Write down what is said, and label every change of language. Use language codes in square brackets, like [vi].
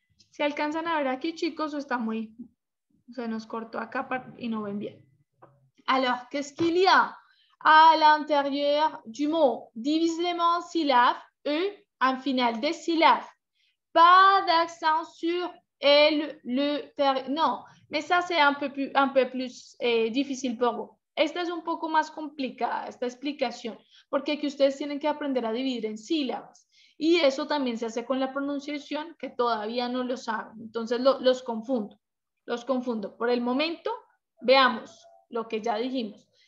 [es] ¿Se alcanzan a ver aquí, chicos, o está muy... Se nos cortó acá y no ven bien? [fr] Alors, qu'est-ce qu'il y a à l'intérieur du mot? Divisément en syllabes, E, en final des syllabes. Pas d'accent sur L, le, ter... Non, mais ça, c'est un peu plus difficile pour vous. [es] Esta es un poco más complicada, esta explicación. Porque aquí ustedes tienen que aprender a dividir en sílabas. Y eso también se hace con la pronunciación, que todavía no lo saben. Entonces, los confundo. Los confundo. Por el momento, veamos lo que ya dijimos.